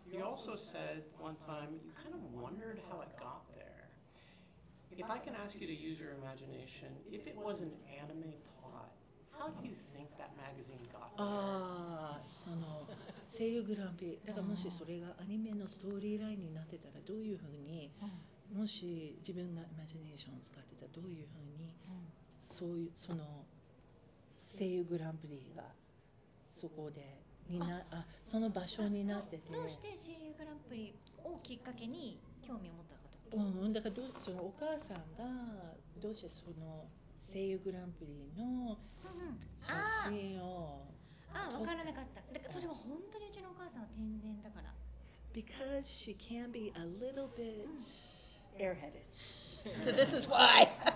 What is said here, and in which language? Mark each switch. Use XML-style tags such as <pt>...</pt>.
<en>You also said one time you kind of wondered how it got there. If I can ask you to use your imagination, if it was an anime plot, how do you think that magazine got there?</en> <ja>その声優グランピーだからもしそれがアニメのストーリーラインになってたらどういうふうにもし自分がイマジネーションを使ってたらどういうふうにそういうその声優グランプリがそこでその場所になってて、どうして声優グランプリをきっかけに興味を持ったかと、だからそのお母さんがどうしてその声優グランプリの写真を、分からなかった。だからそれは本当にうちのお母さんは天然だから。</ja> <en>Because she can be a little bit、airheaded. So this is why.</en>